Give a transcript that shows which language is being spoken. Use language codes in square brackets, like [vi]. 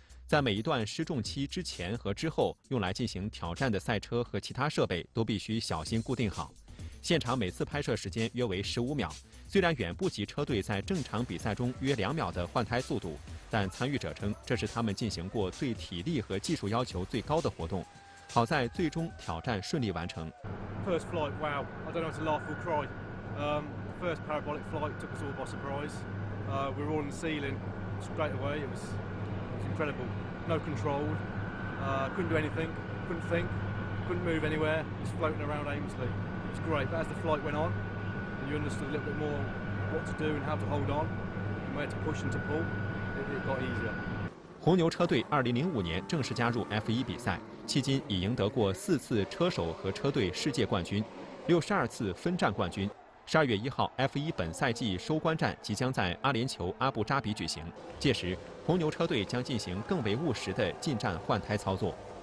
[zh] 在每一段失重期之前和之后，用来进行挑战的赛车和其他设备都必须小心固定好。现场每次拍摄时间约为15秒，虽然远不及车队在正常比赛中约2秒的换胎速度，但参与者称这是他们进行过对体力和技术要求最高的活动。好在最终挑战顺利完成。 [en] First flight, wow! I don't know if to laugh or cry. First parabolic flight took us all by surprise. We were all in the ceiling straight away. It was incredible. No control. Couldn't do anything. Couldn't think. Couldn't move anywhere. Just floating around aimlessly. It was great. But as the flight went on. You understood a little bit more what to do and how to hold on, and where to push and to pull. It got easier. [zh] 红牛车队2005年正式加入 F1 比赛，迄今已赢得过4次车手和车队世界冠军，62次分站冠军。 12月1号 ，F1 本赛季收官战即将在阿联酋阿布扎比举行，届时红牛车队将进行更为务实的进站换胎操作。